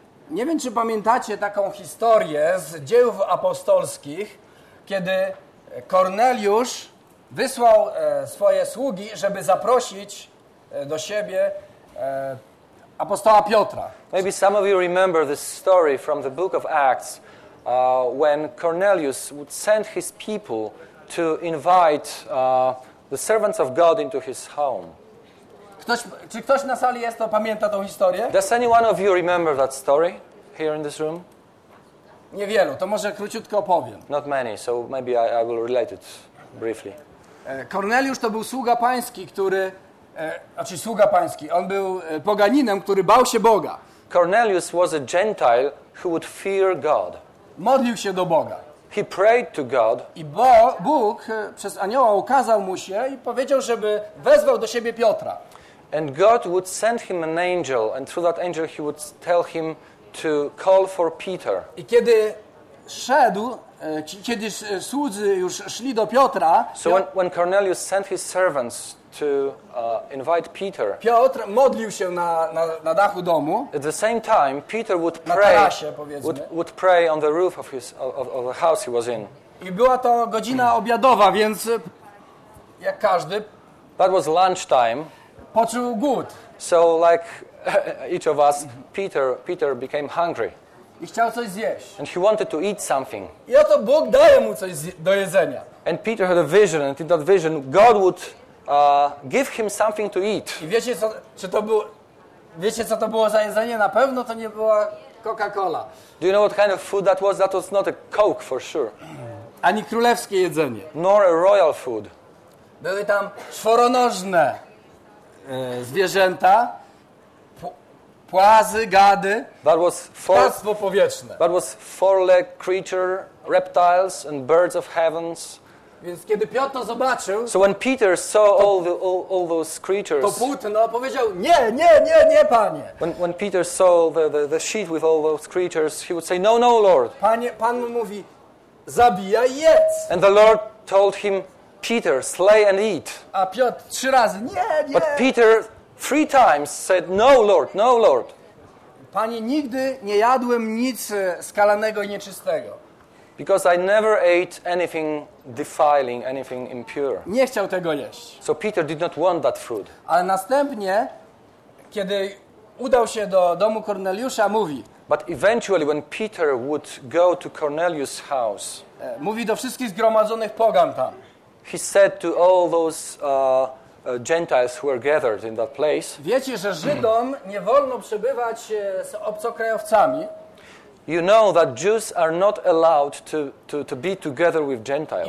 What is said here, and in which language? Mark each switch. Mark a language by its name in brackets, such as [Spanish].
[Polish] Nie wiem, czy pamiętacie taką historię z Dziejów Apostolskich, kiedy Korneliusz wysłał swoje sługi, żeby zaprosić do siebie apostoła Piotra. [English] Maybe some of you remember this story from the book of Acts, when Cornelius would send his people to invite the servants of God into his home. [Polish] Czy ktoś na sali jest to pamięta tą historię? [English] Does anyone of you remember that story here in this room? [Polish] Niewielu, to może króciutko opowiem. [English] Not many, so maybe I will relate it briefly. [Polish] Korneliusz to był sługa pański, który sługa pański. On był poganinem, który bał się Boga. [English] Cornelius was a Gentile who would fear God. [Polish] Modlił się do Boga. [English] He prayed to God. [Polish] I Bóg przez anioła ukazał mu się i powiedział, żeby wezwał do siebie Piotra. [English] And God would send him an angel, and through that angel he would tell him to call for Peter. [Polish] I kiedy szedł, kiedy słudzy już szli do Piotra. [English] So when Cornelius sent his servants to invite Peter. [Polish] Piotr modlił się na dachu domu. [English] At the same time, Peter would pray. [Polish] Na tarasie, powiedzmy. [English] Would pray on the roof of his of the house he was in. [Polish] I była to godzina obiadowa, więc jak każdy. [English] That was lunch time. [Polish] Poczuł głód. [English] So like each of us, Peter became hungry. [Polish] I chciał coś zjeść. [English] And he wanted to eat something. [Polish] I oto Bóg daje mu coś do jedzenia. [English] And Peter had a vision, and in that vision, God would give him something to eat. [Polish] I wiecie co, czy to było, wiecie co to było za jedzenie? Na pewno to nie była Coca-Cola. [English] Do you know what kind of food that was? That was not a Coke for sure. [Polish] Ani królewskie jedzenie. [English] Nor a royal food. [Polish] Były tam czworonożne zwierzęta, płazy, gady, ptactwo powietrzne. [English] That was four-legged creature, reptiles and birds of heavens. [Polish] Więc kiedy Piotr zobaczył, [English] so when Peter saw all those creatures, [Polish] to płótno powiedział, nie, nie, nie, nie, panie. [English] When Peter saw the sheet with all those creatures, he would say, no, no, Lord. [Polish] Panie, pan mówi, zabijaj, jedz. [English] And the Lord told him, Peter, slay and eat. [Polish] A Piotr trzy razy, nie, nie. [English] But Peter three times said, no, Lord, no, Lord. [Polish] Panie, nigdy nie jadłem nic skalanego i nieczystego. [English] Because I never ate anything defiling, anything impure. [Polish] Nie chciał tego jeść. [English] So Peter did not want that fruit. [Polish] Ale następnie, kiedy udał się do domu Korneliusza, mówi. [English] But eventually when Peter would go to Cornelius' house. [Polish] Mówi do wszystkich zgromadzonych pogan tam. [English] He said to all those Gentiles who were gathered in that place. [Polish] Wiecie, że Żydom nie wolno przebywać z obcokrajowcami. [English] You know that Jews are not allowed to be together with Gentiles.